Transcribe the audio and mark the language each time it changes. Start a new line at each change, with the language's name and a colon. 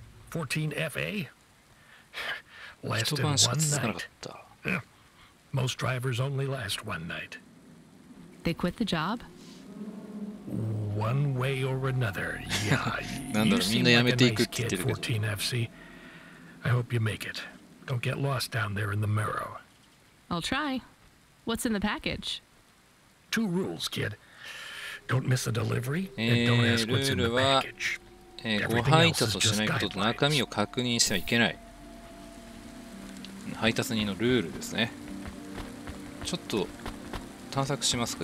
English: 14FA? Lasted one night. Most drivers only last one night. They quit the job? One way or another, yeah.
Japanese: なんだろう、みんな辞めていくって言ってるけど。
English: 14FC. I hope you make it. Don't get lost down there in the marrow. I'll try. What's in the package? Two rules, kid. Don't miss a delivery and don't ask what's in the package.
Japanese: ご配達をしないことと中身を確認してはいけない。配達人のルールですね。ちょっと探索しますか。